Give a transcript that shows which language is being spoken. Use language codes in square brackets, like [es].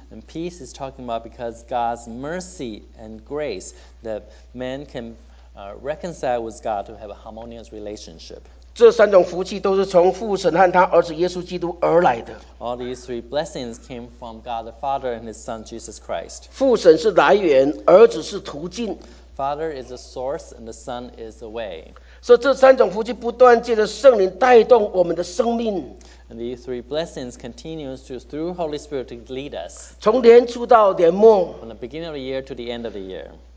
[en] And peace is talking about because God's mercy and grace that man can reconcile with God to have a harmonious relationship. [zh] 这三种福气都是从父神和他儿子耶稣基督而来的。 [en] All these three blessings came from God the Father and His Son Jesus Christ. [zh] 父神是来源，儿子是途径。 [en] Father is the source and the Son is the way. [zh] 所以这三种福气不断借着圣灵带动我们的生命。 [en] And these three blessings continue through Holy Spirit to lead us. [zh] 从年初到年末。 [en] From the beginning of the year to the end of the year.